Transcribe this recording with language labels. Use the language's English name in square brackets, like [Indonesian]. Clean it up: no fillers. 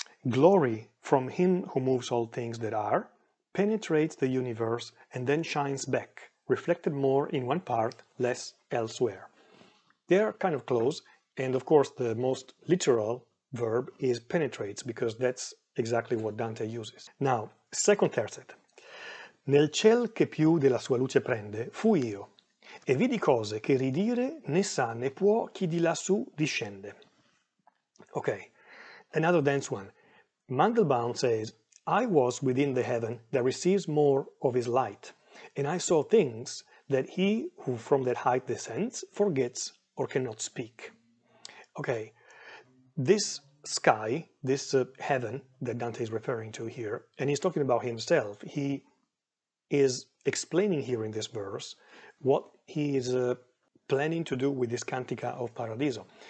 [English] Glory from him who moves all things that are penetrates the universe and then shines back, reflected more in one part, less elsewhere. They are kind of close, and of course the most literal verb is penetrates, because that's exactly what Dante uses. Now, second tercet. [Italian] Nel ciel che più della sua luce prende, fu io, e vidi cose che ridire né sa né può chi di lassù discende. [English] Okay, another dense one. Mandelbaum says, I was within the heaven that receives more of his light, and I saw things that he who from that height descends forgets or cannot speak. Okay, this sky, this heaven that Dante is referring to here, and he's talking about himself, he is explaining here in this verse what he is planning to do with this Cantica of Paradiso.